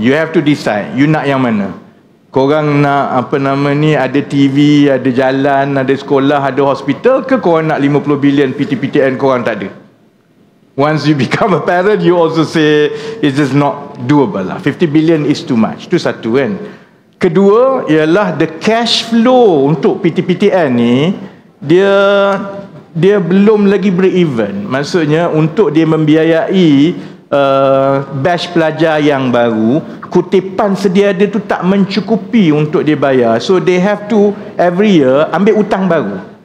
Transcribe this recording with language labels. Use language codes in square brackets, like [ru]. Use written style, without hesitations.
[en] You have to decide, [ms] you nak yang mana. Korang nak apa nama ni, ada TV, ada jalan, ada sekolah, ada hospital ke korang nak 50 billion PTPTN korang tak ada? [en] Once you become a parent, you also say it's just not doable lah. 50 billion is too much. [ms] Itu satu kan. Kedua ialah the cash flow untuk PTPTN ni, dia belum lagi break even. Maksudnya untuk dia membiayai batch pelajar yang baru, kutipan sedia ada tu tak mencukupi untuk dia bayar. [en] So they have to every year [ms] ambil hutang baru.